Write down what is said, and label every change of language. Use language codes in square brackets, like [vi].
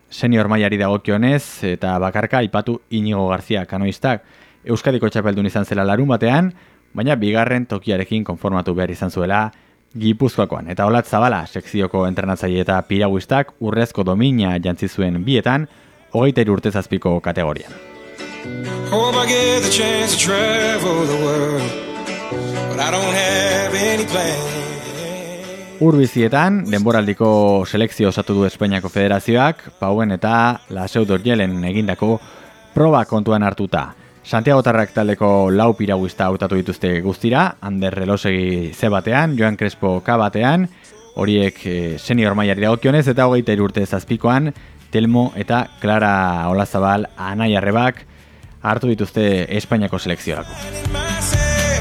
[eu] Senior mailari dagokionez eta bakarka aipatu Inigo Garzia kanoistak Euskadiko txapeldun izan zela larun batean, baina bigarren tokiarekin konformatu behar izan zuela Gipuzkoakoan eta Olat Zabala sekzioko entrenatzaile eta piraguistak urrezko domina jantzi zuen bietan 23 urte zazpiko kategorian. [en] Hope I get the chance to travel the world, but I don't have any plan. [eu] Urbizietan, denboraldiko selekzio osatu du Espainiako Federazioak, Pauen eta Laseu Dorjelen egindako proba kontuan hartuta. Santiago Tarrak taldeko lau piraguista hautatu dituzte guztira, Ander Relosegi C batean, Joan Crespo K batean, horiek senior mailari dagokionez eta 23 urte zazpikoan, Telmo eta Clara Olazabal anaiarrebak hartu dituzte Espainiako selekziorako.